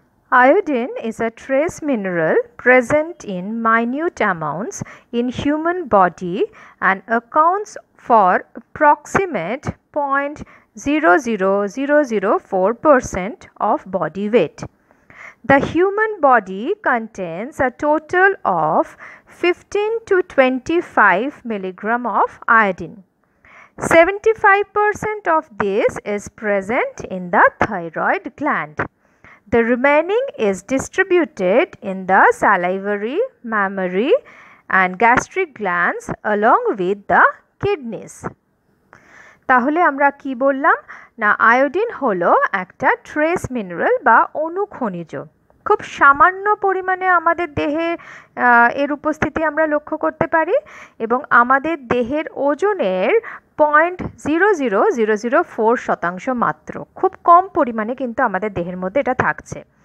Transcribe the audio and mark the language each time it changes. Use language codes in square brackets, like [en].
[en] Iodine is a trace mineral present in minute amounts in human body and accounts for approximate 0.00004% of body weight. The human body contains a total of 15 to 25 milligram of iodine. 75% of this is present in the thyroid gland. The remaining is distributed in the salivary, mammary and gastric glands along with the kidneys. [bn] তাহলে আমরা কি বললাম না, iodine হলো একটা trace mineral বা অনুখনিজ। খুব সামান্য পরিমাণে আমাদের দেহে এর উপস্থিতি আমরা লক্ষ্য করতে পারি এবং আমাদের দেহের ওজনের 0.00004% মাত্র, খুব কম পরিমাণে কিন্তু আমাদের দেহের মধ্যে এটা থাকছে।